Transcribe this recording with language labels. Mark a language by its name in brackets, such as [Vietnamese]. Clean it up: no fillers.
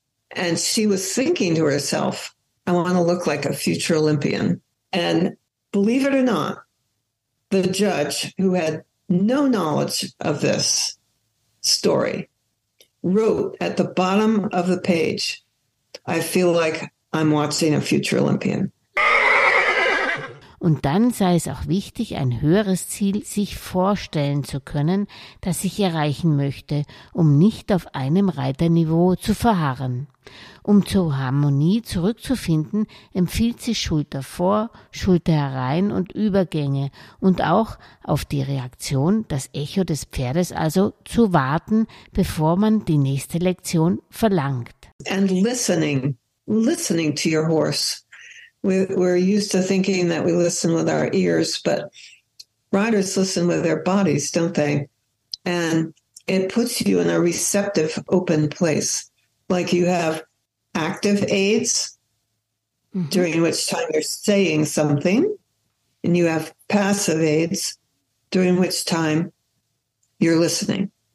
[English] And she was thinking to herself, "I want to look like a future Olympian." And believe it or not, the judge, who had no knowledge of this story, wrote at the bottom of the page, "I feel like I'm watching a future Olympian." [German] Und dann sei es auch wichtig, ein höheres Ziel sich vorstellen zu können, das ich erreichen möchte, um nicht auf einem Reiterniveau zu verharren. Um zur Harmonie zurückzufinden, empfiehlt sie Schulter vor, Schulter herein und Übergänge und auch auf die Reaktion, das Echo des Pferdes also, zu warten, bevor man die nächste Lektion verlangt. [English] And listening to your horse. We're used to thinking that we listen with our ears, but riders listen with their bodies, don't they? And it puts you in a receptive, open place. Like you have active aids, during which time you're saying something, and you have passive aids, during which time you're listening.